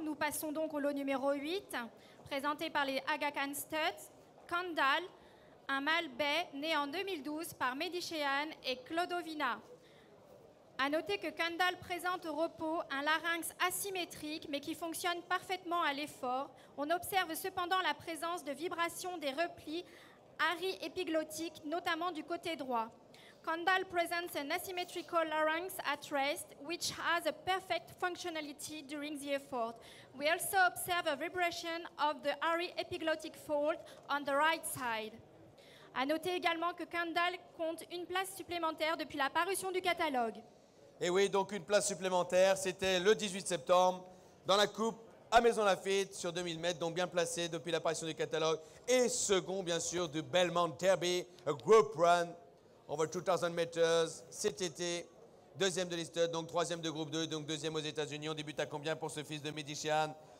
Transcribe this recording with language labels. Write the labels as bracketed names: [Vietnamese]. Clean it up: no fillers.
[French] Nous passons donc au lot numéro 8, présenté par les Aga Khan Studs, Kandal, un mâle bai né en 2012 par Mehdi Cheyenne et Clodovina. A noter que Kandal présente au repos un larynx asymétrique, mais qui fonctionne parfaitement à l'effort. On observe cependant la présence de vibrations des replis ari-épiglottiques, notamment du côté droit. [English] Kandal presents an asymmetrical larynx at rest, which has a perfect functionality during the effort. We also observe a vibration of the ari epiglottic fold on the right side. [French] A noter également que Kandal compte une place supplémentaire depuis la parution du catalogue. Et oui, donc une place supplémentaire, c'était le 18 septembre, dans la coupe à Maison Lafitte, sur 2000 mètres, donc bien placé depuis la parution du catalogue, et second, bien sûr, du Belmont Derby, [English] a group run, over 2,000 meters, [French] cet été, deuxième de l'Easter, donc troisième de groupe 2, donc deuxième aux États-Unis. On débute à combien pour ce fils de Mehdi Cheyenne?